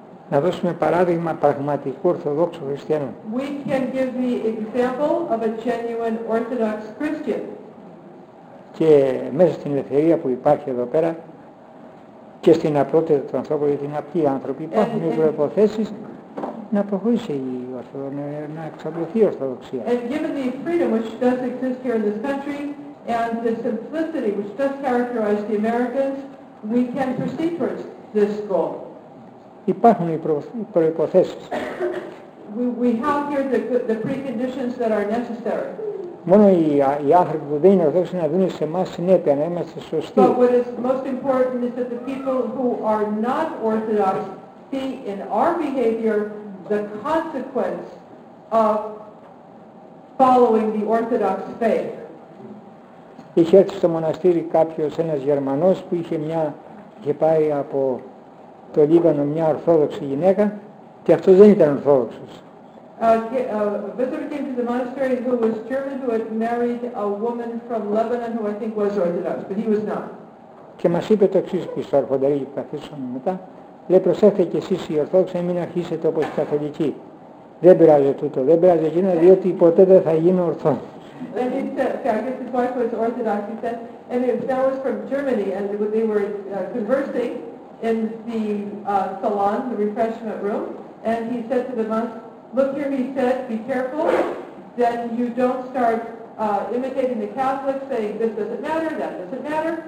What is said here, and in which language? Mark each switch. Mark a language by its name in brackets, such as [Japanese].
[Greek] Να δώσουμε παράδειγμα πραγματικού Ορθοδόξου Χριστιανού. [English] We can give the example of a genuine Orthodox Christian. [Greek] Και μέσα στην ελευθερία που υπάρχει εδώ πέρα και στην απλότητα του ανθρώπου, γιατί είναι απλοί άνθρωποι, υπάρχουν οι προϋποθέσεις να προχωρήσει η Ορθοδοξία, να εξαπλωθεί η Ορθοδοξία. [English] And given the freedom which does exist here in this country and the simplicity which does characterize the Americans, we can proceed towards this goal. [Greek] Υπάρχουν οι προϋποθέσεις. [English] We have here the preconditions that are necessary. [Greek] Μόνο οι άνθρωποι που δεν είναι ορθόδοξοι να δουν σε εμάς συνέπεια, να είμαστε σωστοί. [English] But what is most important is that the people who are not Orthodox see in our behavior the consequence of following the Orthodox faith. [Greek] Είχε έρθει στο μοναστήρι κάποιος, ένας Γερμανός που είχε πάει από το Λίβανο μια Ορθόδοξη γυναίκα και αυτός δεν ήταν Ορθόδοξος. [English] A visitor came to the monastery who was German, who had married a woman from Lebanon who I think was Orthodox, but he was not. [Greek] Και μας είπε το εξής πίσω, αρχοντερή, που καθίσαμε μετά. Λέει, προσέχτε κι εσείς οι Ορθόδοξοι, μην αρχίσετε όπως οι Καθολικοί. Δεν πειράζει τούτο, δεν πειράζει εκείνο, διότι ποτέ δεν θα γίνω Ορθόδοξος. [English] And he said, okay, I guess his wife was Orthodox, he said, and if that was from Germany, and they were conversing in the salon, the refreshment room, and he said to the monk, look here, he said, be careful, then you don't start imitating the Catholics, saying this doesn't matter, that doesn't matter.